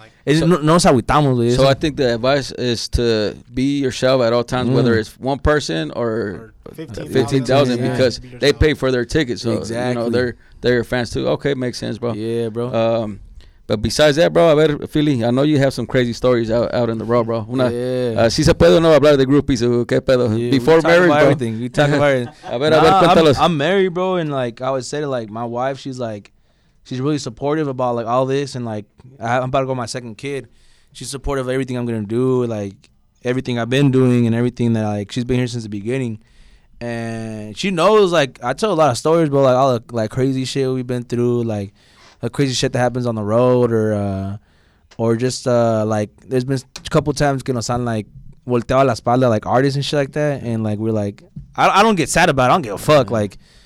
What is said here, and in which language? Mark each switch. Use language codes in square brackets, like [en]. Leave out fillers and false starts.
[en] So I think the advice is to be yourself at all times, whether it's one person or 15,000, because they pay for their tickets. So, exactly. You know, they're your fans too. Okay, makes sense, bro. Yeah, bro. But besides that, bro, a ver, Philly, I know you have some crazy stories out in the road, bro. Una, yeah. [es] Si se puede o no hablar de groupies, qué pedo. [en] Yeah, before marriage, bro. Everything. We talk about it. [es] A ver, cuéntalos. [en] I'm married, bro, and like I would say to like my wife, she's like, she's really supportive about like all this, and like I'm about to go with my second kid. She's supportive of everything I'm gonna do, like everything I've been doing, and everything that like she's been here since the beginning. And she knows, like I tell a lot of stories, bro, like all the like crazy shit we've been through, like the crazy shit that happens on the road, or just like there's been a couple times [es] que nos [en] sound like [es] volteado la espalda, [en] like artists and shit like that, and like we're like I don't get sad about it. I don't give a fuck, like.